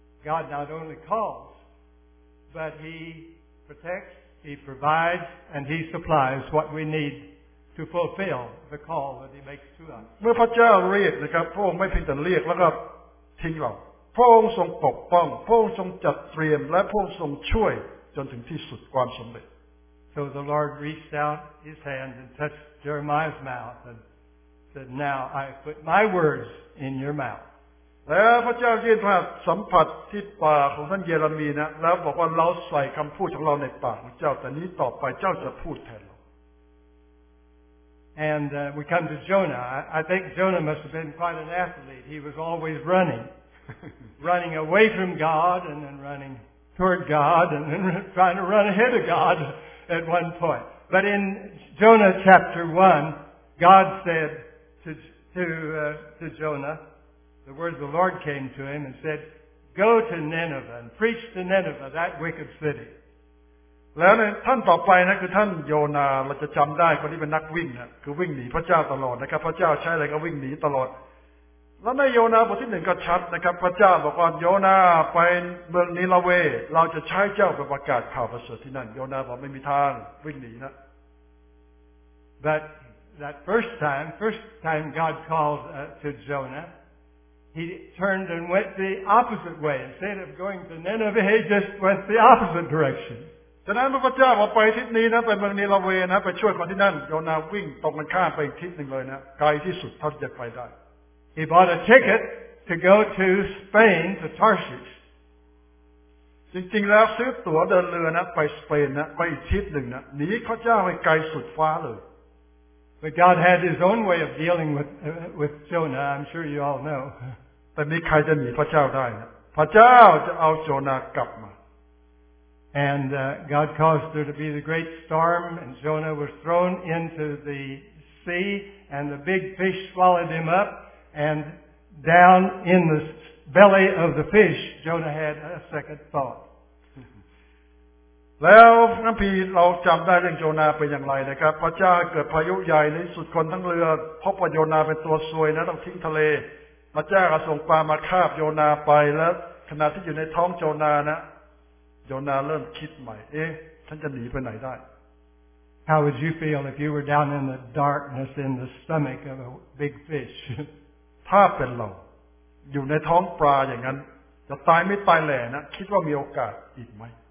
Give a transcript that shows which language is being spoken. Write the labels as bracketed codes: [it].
[en] God not only calls, but He protects, He provides, and He supplies what we need to fulfill the call that He makes to us. [th] เมื่อพระเจ้าเรียกนะครับพระองค์ไม่เพียงแต่เรียกแล้วก็ทิ้งเราพระองค์ทรงปกป้องพระองค์ทรงจัดเตรียมและพระองค์ทรงช่วยจนถึงที่สุดความสำเร็จ [en] So the Lord reached out His hand and touched Jeremiah's mouth and said, "Now I put my words in your mouth." [th] แล้วพระเจ้ายื่นมือสัมผัสที่ปากของท่านเยเรมีย์นะแล้วบอกว่าเราใส่คำพูดของเราในปากของเจ้าแต่นี้ต่อไปเจ้าจะพูดแทนเรา [en] And we come to Jonah. I think Jonah must have been quite an athlete. He was always running, running away from God and then running toward God and then trying to run ahead of God. At one point, but in Jonah chapter 1, God said to Jonah, The word of the Lord came to him and said, Go to Nineveh and preach to Nineveh, that wicked city. [th] แล้วในท่านต่อไปนะคือท่านโยนาเราจะจำได้คนที่เป็นนักวิ่งนะคือวิ่งหนีพระเจ้าตลอดนะครับพระเจ้าใช้อะไรก็วิ่งหนีตลอดแล้วในโยนาบทที่หนึ่งก็ชัดนะครับพระเจ้าบอกว่าโยนาไปเมืองนีนาเวเราจะใช้เจ้าไปประกาศข่าวประเสริฐที่นั่นโยนาบอกไม่มีทางวิ่งหนีนะ [en] But that first time God called to Jonah he turned and went the opposite way instead of going to Nineveh he just went the opposite direction [th] ฉะนั้นพระเจ้าบอกไปทิศนี้นะไปเมืองนีนาเวนะไปช่วยคนที่นั่นโยนาวิ่งตรงกันข้ามไปทิศหนึ่งเลยนะไกลที่สุดเท่าที่จะไปได้ [en] He bought a ticket to go to Spain to Tarsus [th] จริงๆแล้วซื้อตั๋วเดินเรือนะไปสเปนนะไปทิศหนึ่งนะหนีพระเจ้าไปไกลสุดฟ้าเลย [en] But God had His own way of dealing with Jonah I'm sure you all know [th] แต่มีใครจะหนีพระเจ้าได้นะพระเจ้าจะเอาโจนากลับมา [en] And God caused there to be the great storm, and Jonah was thrown into the sea, and the big fish swallowed him up, and down in the belly of the fish, Jonah had a second thought. [th] Well, นักพีเราจำได้เรื่องโจนาเป็นอย่างไรนะครับพระเจ้าเกิดพายุใหญ่ในสุดคนทั้งเรือพบว่าโจนาเป็นตัวซวยนะต้องทิ้งทะเลพระเจ้าก็ส่งปลามาคาบโจนาไปแล้วขณะที่อยู่ในท้องโจนานะโจนาเริ่มคิดใหม่เอ๊ะฉันจะหนีไปไหนได้ [en] How would you feel if you were down in the darkness in the stomach of a big fish [th] ถ้าเป็นเราอยู่ในท้องปลาอย่างนั้นจะตายไม่ตายแหล่นะคิดว่ามีโอกาสอีกไหม